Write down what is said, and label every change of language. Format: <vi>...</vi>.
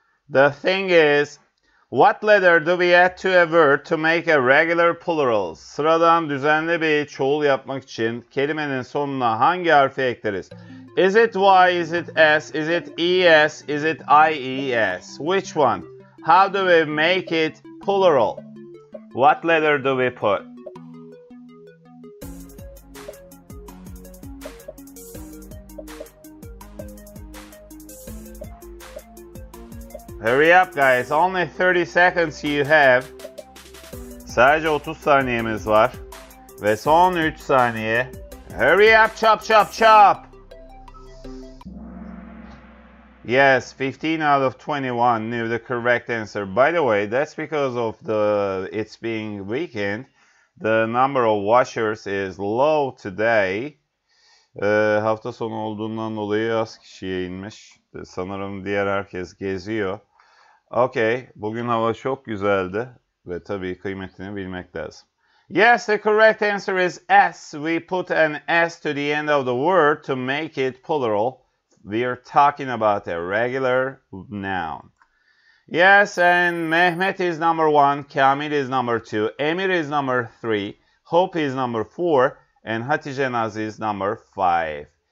<en>The thing is, what letter do we add to a word to make a regular plural?</en> <tr>Sıradan düzenli bir çoğul yapmak için kelimenin sonuna hangi harfi ekleriz?</tr> <en>Is it Y? Is it S? Is it ES? Is it IES? Which one? How do we make it plural? What letter do we put? Hurry up guys, only 30 seconds you have.</en> <tr>Sadece 30 saniyemiz var. Ve son 3 saniye.</tr> <en>Hurry up, chop, chop, chop! Yes, 15 out of 21 knew the correct answer. By the way, that's because of the it's being weekend. The number of washers is low today.</en> <tr>Hafta sonu olduğundan dolayı az kişiye inmiş. Sanırım diğer herkes geziyor. Okay, bugün hava çok güzeldi ve tabii kıymetini bilmek lazım.</tr> <en>Yes, the correct answer is S. We put an S to the end of the word to make it plural. We are talking about a regular noun. Yes, and Mehmet is number one, Kamil is number two, Emir is number three, Hope is number four, and Hatice Naz is number five.</en>